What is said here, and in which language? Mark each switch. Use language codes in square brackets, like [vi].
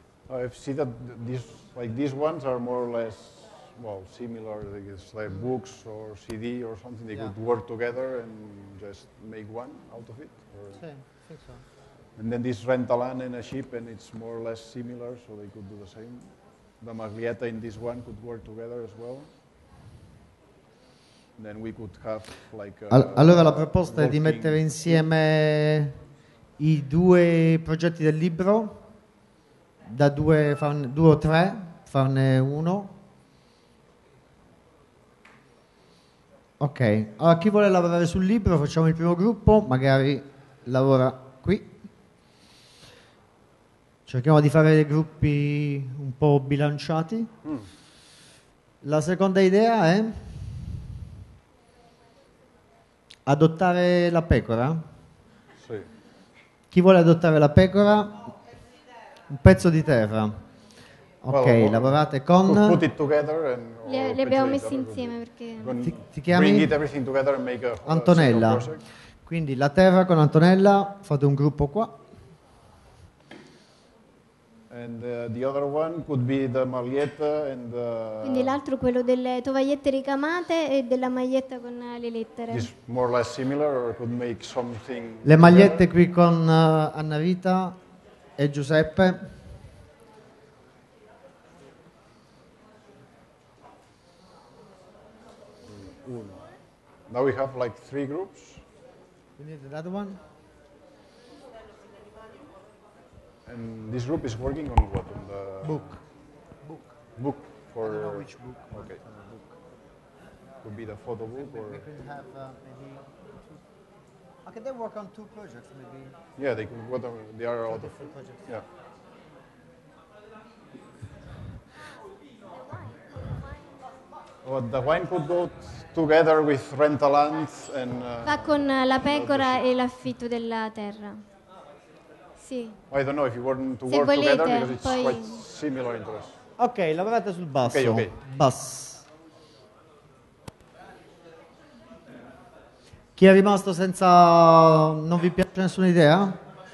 [en] I see that these ones are more or less, well, similar, like it's like books or CD or something. They could work together and just make one out of it. Or [es] sí, [en] I think so. And then this rent a land and a ship, and it's more or less similar, so they could do the same. The Maglietta in this one could work together as well. Then we could have like [it] allora la proposta è di mettere insieme i due progetti del libro, da due o tre, farne uno. Ok, allora chi vuole lavorare sul libro, facciamo il primo gruppo, magari lavora qui. Cerchiamo di fare gruppi un po' bilanciati. La seconda idea è... adottare la pecora? Sì. Chi vuole adottare la pecora? Un pezzo di terra. Ok, [en] well, [it] lavorate con... [en] Put it together and, [it] le abbiamo messe insieme perché... Ti chiami? [en] Bring it everything together and make a, Antonella. A single project. [it] Quindi la terra con Antonella, fate un gruppo qua. [en] And the other one could be the maglietta and the... [it] Quindi l'altro quello delle tovagliette ricamate e della maglietta con le lettere. [en] It's more or less similar, or could make something. [it] Le magliette qui con Anna Rita e Giuseppe. [en] Now we have like three groups. We need another one. And this group is working on what? On the book. Book. Book. For I don't know which book. Okay. Book. Could be the photo book we or. We could have maybe. Two. Okay, they work on two projects maybe. Yeah, they could. What they are two out of. Projects. Yeah. The wine could go together with rentalands and. [it] Va con la pecora e l'affitto della terra. Sì. [en] I don't know if you want to [it] se [en] work [it] volete, [en] together because it's quite similar interest. [it] Ok, lavorate sul basso. [en] Okay, okay. Bass. [it] Chi è rimasto senza. Non vi piace nessuna idea?